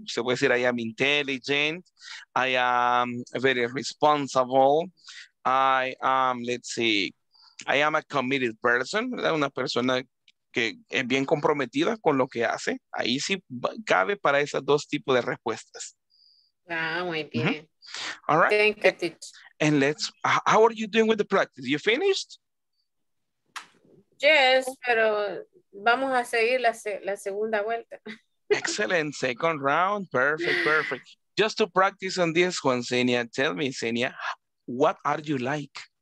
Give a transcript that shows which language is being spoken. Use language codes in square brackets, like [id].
[es] Se puede decir, [en] I am intelligent, I am very responsible, I am, let's see, I am a committed person, [es] ¿verdad? Una persona que es bien comprometida con lo que hace, ahí sí cabe para esos dos tipos de respuestas. Ah, muy bien. [en] Mm-hmm. All right. Thank you, teacher. And let's, how are you doing with the practice? You finished? [es] Yes, pero vamos a seguir la segunda vuelta. [en] Excellent, second round, perfect, perfect. Just to practice on this one, Xenia, tell me, Xenia, what are you like?